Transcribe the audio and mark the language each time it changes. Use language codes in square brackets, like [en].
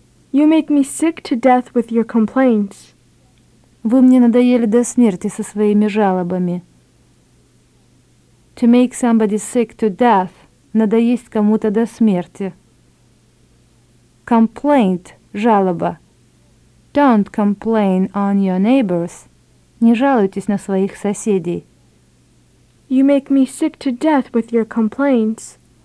[en] You make me sick to death with your complaints. [ru] Вы мне надоели до смерти со своими жалобами. [en] To make somebody sick to death. [ru] Надоесть кому-то до смерти. [en] Complaint. [ru] Жалоба. [en] Don't complain on your neighbors. [ru] Не жалуйтесь на своих соседей. [en] You make me sick to death with your complaints.